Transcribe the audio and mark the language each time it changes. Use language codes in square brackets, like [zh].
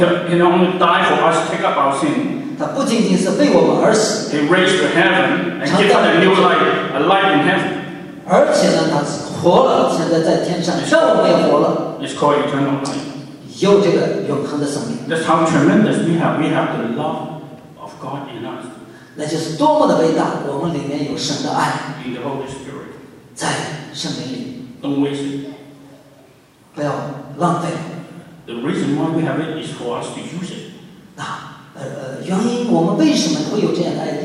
[en] He not only died for us to take up our sin。 [zh] 他不仅仅是为我们而死 [en] He raised to heaven and gave us a new life, a life in heaven. [zh] 而且呢，他是活了，现在在天上，这我们也活了。 [en] It's called eternal life. [zh] 有这个永恒的生命。 [en] That's how tremendous we have the love of God in us. [zh] 那就是多么的伟大，我们里面有神的爱。 [en] In the Holy Spirit. [zh] 在圣灵里。 [en] Don't waste it. [zh] 不要浪费。 [en] The reason why we have it is for us to use it. [zh] 那原因我们为什么会有这样的爱？